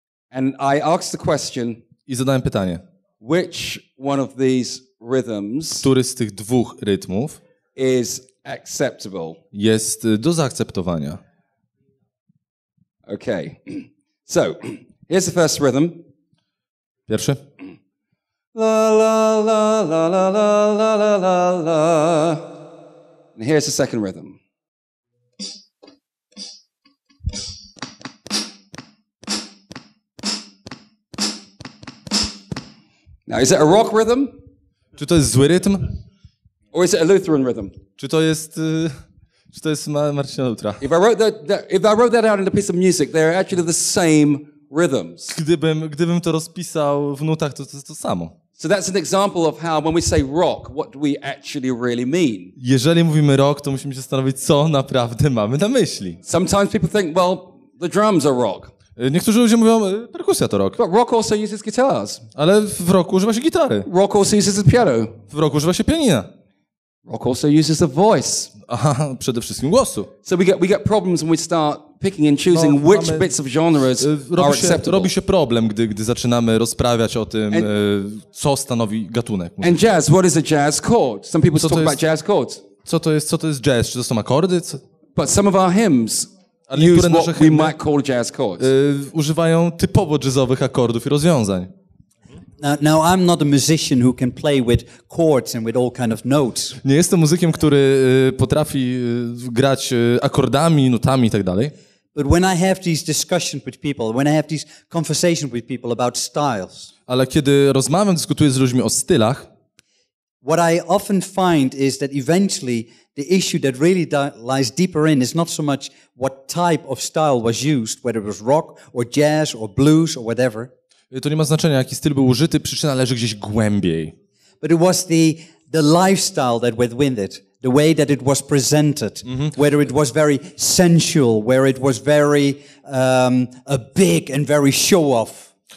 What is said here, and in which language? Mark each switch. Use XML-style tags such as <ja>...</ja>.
<en>And I asked the question.</en> <pl>I zadałem pytanie.</pl> <en>Which one of these rhythms,</en> <pl>który z tych dwóch rytmów,</pl> <en>is acceptable?</en> <pl>Jest do zaakceptowania.</pl> <en>Okay. So, here's the first rhythm.</en> <pl>Pierwszy. La la la la la la la la la la.</pl> <en>And here's the second rhythm. La Now, is it a rock rhythm?</en> <pl>Czy to jest zły rytm?</pl> <en>Or is it a Lutheran rhythm?</en> <pl>Czy to jest Marcina Lutra?</pl> <en>If I wrote that out in a piece of music, they are actually the same rhythms.</en> <pl>Gdybym to rozpisał w nutach, to jest to samo.</pl> <en>So that's an example of how when we say rock, what do we actually really mean?</en> <pl>Jeżeli mówimy rock, to musimy się zastanowić, co naprawdę mamy na myśli.</pl> <en>Sometimes people think, well, the drums are rock.</en> <pl>Niektórzy ludzie mówią, perkusja to rock.</pl> <en>But rock also uses guitars.</en> <pl>Ale w rocku używa się gitary.</pl> <en>Rock also uses the piano.</en> <pl>W rocku używa się pianina.</pl> <en>Rock also uses the voice.</en> <pl>Aha, przede wszystkim głosu.</pl> <en>So we get problems when we start picking and choosing which bits of genres are acceptable.</en> <pl>Robi się problem, gdy zaczynamy rozprawiać o tym, co stanowi gatunek.</pl> <en>And jazz, what is a jazz chord? Some people talk about jazz chords.</en> <pl>Co to jest jazz? Czy to są akordy?</pl> <en>But some of our hymns use what we might call jazz chords.</en> <pl>Używają typowo jazzowych akordów i rozwiązań.</pl> <en>Now I'm not a musician who can play with chords and with all kind of notes.</en> <pl>Nie jestem muzykiem, który potrafi grać akordami, nutami i tak dalej.</pl> <en>But when I have these discussions with people, when I have these conversations with people about styles.</en> <pl>Ale kiedy rozmawiam, dyskutuję z ludźmi o stylach,</pl> <en>what I often find is that eventually the issue that really lies deeper in is not so much what type of style was used, whether it was rock or jazz or blues or whatever.</en> <pl>To nie ma znaczenia, jaki styl był użyty, przyczyna leży gdzieś głębiej.</pl> <en>But it was the lifestyle that went with it, the way that it was presented, whether it was very sensual, where it was very a big and very show off.</en>